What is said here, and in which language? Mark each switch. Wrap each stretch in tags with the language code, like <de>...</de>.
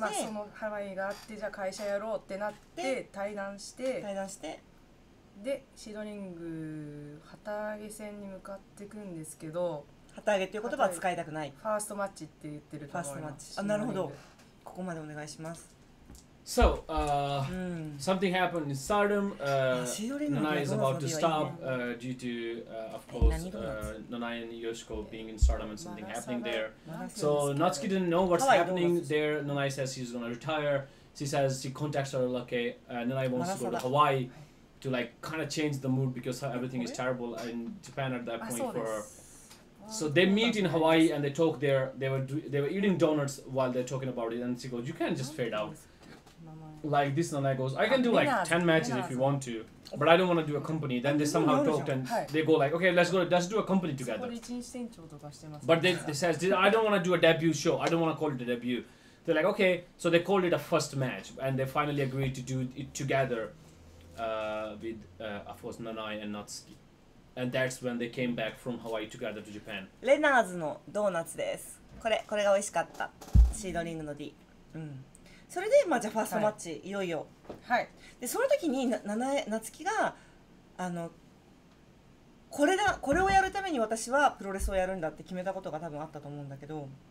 <ja>まあ、そのハワイがあって、じゃあ会社やろうってなって、対談して、対談して、でシードリング旗揚げ戦に向かっていくんですけど、旗揚げっていう言葉は使いたくない、ファーストマッチって言ってると思います。ファーストマッチ、あ、なるほど、ここまでお願いします。</ja> <en>So, something happened in stardom. Nanai is about to stop due to, of course, Nanai and Yoshiko being in stardom and something happening there. So Natsuki didn't know what's happening there. Nanai says he's going to retire. She says she contacts her lucky. Nanai wants to go to Hawaii to like kind of change the mood because everything is terrible in Japan at that point for her. So they meet in Hawaii and they talk there. They were eating donuts while they're talking about it. And she goes, you can't just fade out. Like this Nanai goes, I can do like 10 matches if you want to, but I don't want to do a company. Then they somehow talked and they go like, okay, let's do a company together. But they says, I don't want to do a debut show. I don't want to call it a debut. They're like, okay. So they called it a first match and they finally agreed to do it together with, of course, Nanai and Natsuki. And that's when they came back from Hawaii together to Japan.</en> <ja>レナーズのドーナツです。これが美味しかった。シードリングの D。うん。それで、まあ、じゃあファーストマッチ、はい、いよいよ。はい。で、その時に、夏希が、あの、これをやるために私はプロレスをやるんだって決めたことが多分あったと思うんだけど。</ja>